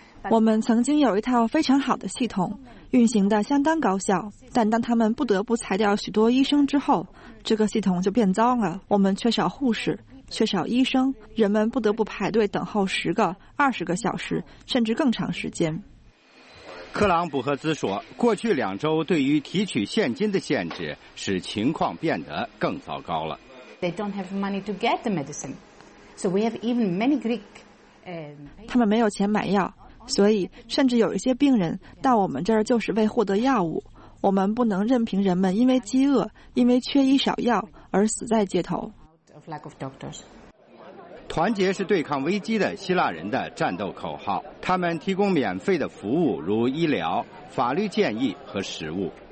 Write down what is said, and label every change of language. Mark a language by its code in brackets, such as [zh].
[zh] 我们曾经有一套非常好的系统，运行得相当高效，但当他们不得不裁掉许多医生之后，这个系统就变糟了。我们缺少护士，缺少医生，人们不得不排队等候10个、20个小时，甚至更长时间。克朗普赫兹说，过去两周对于提取现金的限制使情况变得更糟糕了。 [en] They don't have money to get the medicine. So we have even many Greek, [zh] 他们没有钱买药，所以甚至有一些病人到我们这儿就是为获得药物。我们不能任凭人们因为饥饿，因为缺医少药而死在街头。团结是对抗危机的希腊人的战斗口号，他们提供免费的服务，如医疗、法律建议和食物。